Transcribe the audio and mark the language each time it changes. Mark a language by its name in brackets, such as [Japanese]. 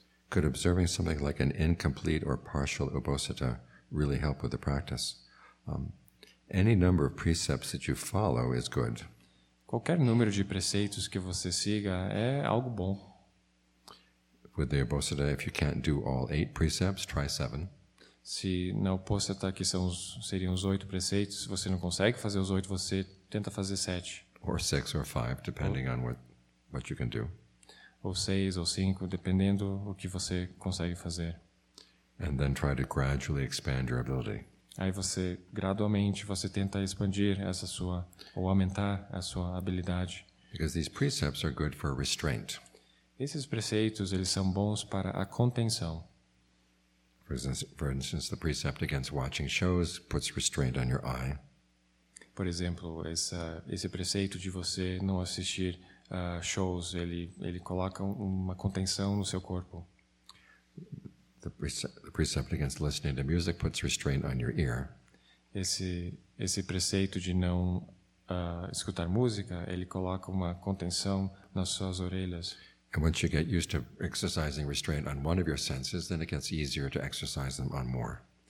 [English] Could observing something like an incomplete or partial upasata really help with the practice? Any number of precepts that you follow is good. [Portuguese] Qualquer número de preceitos que você siga é algo bom. [English] With the upasata, if you can't do all 8 precepts, try 7. [Portuguese] Se na upasata, que seriam os 8 preceitos, você não consegue fazer os 8, você tenta fazer 7. [English] Or 6 or 5, depending on what you can do. [Portuguese] Ou 6 ou 5, dependendo o que você consegue fazer. [English] And then try to gradually expand your ability. [Portuguese] Aí você, gradualmente, você tenta expandir essa sua, ou aumentar a sua habilidade. [English] Because these precepts are good for restraint. [Portuguese] Esses preceitos, eles são bons para a contenção. [English] For instance, the precept against watching shows puts restraint on your eye. [Portuguese] Por exemplo, esse preceito de você não assistir shows, ele coloca uma contenção no seu corpo. [English] The precept against listening to music puts restraint on your ear. [Portuguese] Esse preceito de não escutar música, ele coloca uma contenção nas suas orelhas. [English] And once you get used to exercising restraint on one of your senses, then it gets easier to exercise them on more.